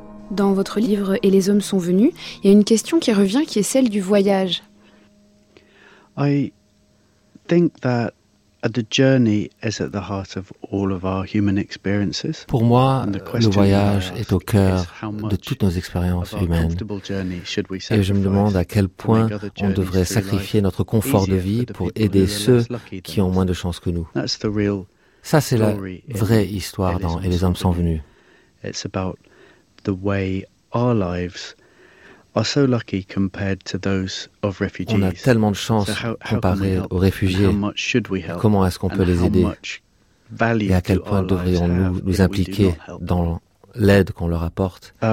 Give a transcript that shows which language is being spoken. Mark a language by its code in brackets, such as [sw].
[fr] dans votre livre « Et les hommes sont venus », il y a une question qui revient, qui est celle du voyage. [en] I think that the journey is at the heart of all of our human experiences. [fr] Pour moi, le voyage est au cœur de toutes nos expériences humaines. Et je me demande à quel point on devrait sacrifier notre confort de vie pour aider ceux qui ont moins de chance que nous. Ça, c'est la vraie histoire dans Et les hommes sont venus. [en] It's about the way our lives are so lucky compared to those of refugees. [fr] On a tellement de chance comparé aux réfugiés. Comment est-ce qu'on peut les aider? Et à quel point devrions-nous nous impliquer dans l'aide qu'on leur apporte?